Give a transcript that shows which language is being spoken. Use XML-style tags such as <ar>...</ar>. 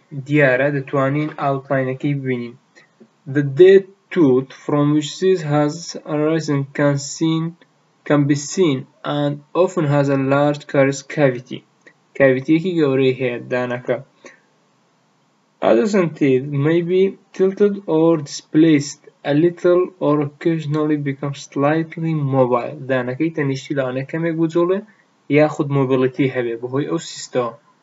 <ku>دیارە دەتوانین ئاوتلاینەکەی ببینین.</ku> <en>The dead tooth from which this has arisen can be seen and often has a large caris cavity.</en> <ku>کاویتیەکی گەورەی هەیە دانەکە.</ku> <en>Adolescent teeth may be tilted or displaced a little or occasionally become slightly mobile.</en> <ku>دانەکەی تەنیشتی لەوانە کەمێک بجوڵێ یاخود مۆبیلیتی هەبێ بەهۆی ئەو سیستەمە.</ku>